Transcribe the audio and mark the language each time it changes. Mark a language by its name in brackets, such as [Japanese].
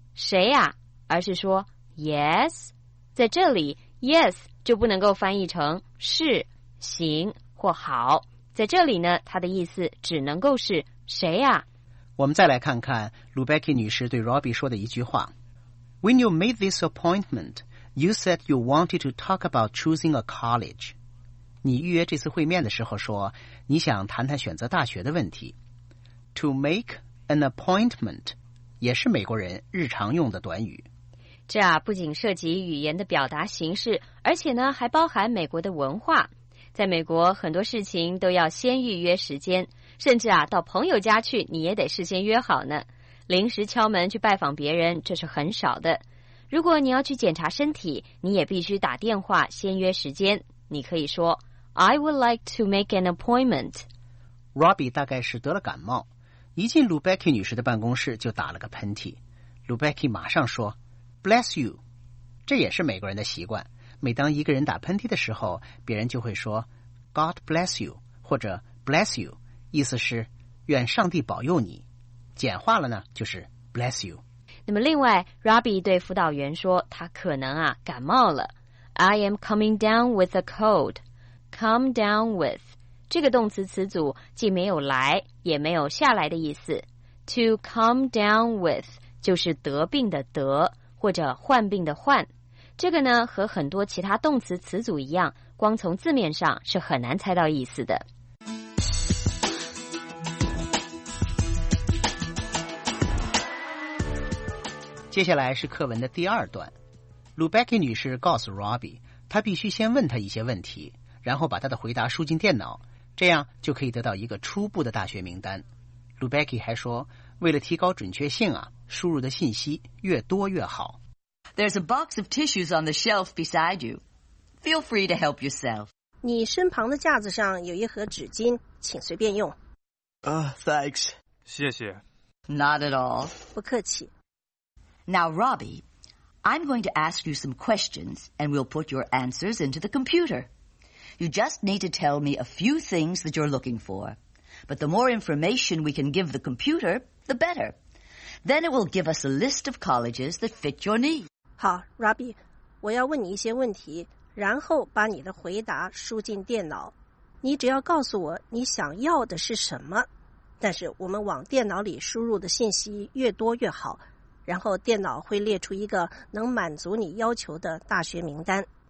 [Chinese] 谁呀、啊、而是说 Yes。在这里 Yes 就不能够翻译成是、行或好，在这里呢，她的意思只能够是谁呀、啊、我们再来看看 Lubecki 女士对 Robbie 说的一句话。 [English] When you made this appointment, you said you wanted to talk about choosing a college. [Chinese] 你预约这次会面的时候说你想谈谈选择大学的问题。 [English] To make an appointment [Chinese] 也是美国人日常用的短语。这啊，不仅涉及语言的表达形式，而且呢还包含美国的文化。在美国，很多事情都要先预约时间，甚至啊到朋友家去你也得事先约好呢。临时敲门去拜访别人，这是很少的。如果你要去检查身体，你也必须打电话先约时间。你可以说 [English] I would like to make an appointment. [Chinese] Robbie 大概是得了感冒，一进 Lubecki 女士的办公室就打了个喷嚏。 Lubecki 马上说 [English] Bless you. [Chinese] 这也是美国人的习惯，每当一个人打喷嚏的时候，别人就会说 [English] God bless you [Chinese] 或者 [English] Bless you， [Chinese] 意思是愿上帝保佑你，简化了呢就是 [English] bless you。 [Chinese] 那么另外 Robbie 对辅导员说他可能啊感冒了。 [English] I am coming down with a cold. Come down with [Chinese] 这个动词词组既没有来也没有下来的意思。 [English] To come down with [Chinese] 就是得病的得，或者患病的患。这个呢和很多其他动词词组一样，光从字面上是很难猜到意思的。接下来是课文的第二段。Lubecki 女士告诉 Robbie 她必须先问她一些问题，然后把她的回答输进电脑，这样就可以得到一个初步的大学名单。 Lubecki 还说为了提高准确性啊，输入的信息越多越好。 [English] There's a box of tissues on the shelf beside you. Feel free to help yourself. [Chinese] 你身旁的架子上有一盒纸巾，请随便用。 [English] Thanks. [Chinese] 谢谢。 [English] Not at all. [Chinese] 不客气。 [English] Now, Robbie, I'm going to ask you some questions, and we'll put your answers into the computer. You just need to tell me a few things that you're looking for. But the more information we can give the computer, the better. Then it will give us a list of colleges that fit your needs. [Chinese] 好 ，Robbie， 我要问你一些问题，然后把你的回答输进电脑。你只要告诉我你想要的是什么，但是我们往电脑里输入的信息越多越好，然后电脑会列出一个能满足你要求的大学名单。